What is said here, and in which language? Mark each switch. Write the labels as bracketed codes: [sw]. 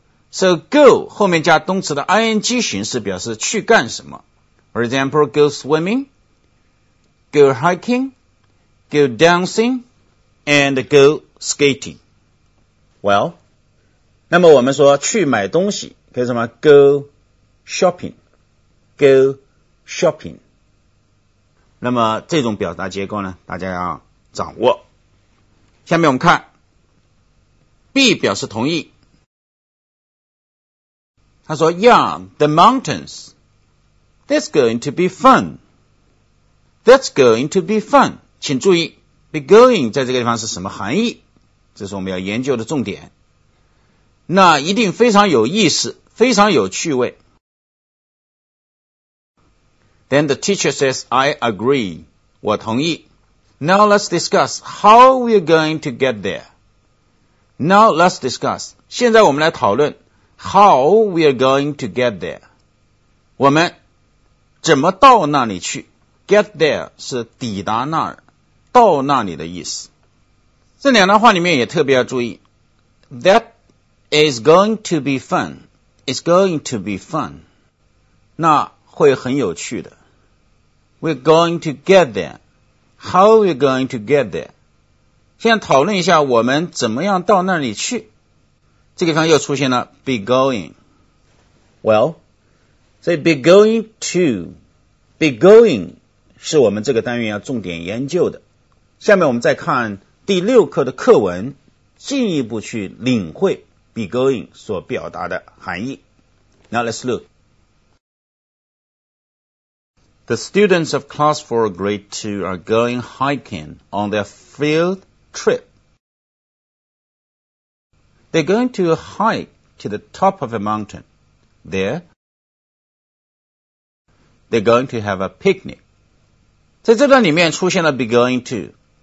[zh] So go 后面加动词的 ing 形式表示去干什么。 [en] For example, go swimming, go hiking, go dancing, and go skating. [zh] Well, 那么我们说去买东西可以什么 [en] go shopping, go shopping。 [zh] 那么这种表达结构呢，大家要掌握。下面我们看 B 表示同意，他说 [en] Yeah, the mountains, that's going to be fun, that's going to be fun。 [zh] 请注意 be going 在这个地方是什么含义，这是我们要研究的重点。那一定非常有意思，非常有趣味。 [en] Then the teacher says, I agree. [zh] 我同意。 [en] Now let's discuss how we're going to get there. Now let's discuss. [zh] 现在我们来讨论 [en] how we're going to get there. [zh] 我们怎么到那里去？ Get there 是抵达那儿，到那里的意思。这两段话里面也特别要注意。 [en] That is going to be fun. It's going to be fun. [zh] 那会很有趣的。 [en] We're going to get there. How are we going to get there? [zh] 先讨论一下我们怎么样到那里去。这个地方又出现了 be going. [en] Well, so be going to, be going [zh] 是我们这个单元要重点研究的。下面我们再看第六课的课文，进一步去领会 be going 所表达的含义。 [en] Now let's look. The students of class 4 grade 2 are going hiking on their field trip. They're going to hike to the top of a mountain. There, they're going to have a picnic. [zh] 在这段里面出现了 be going to.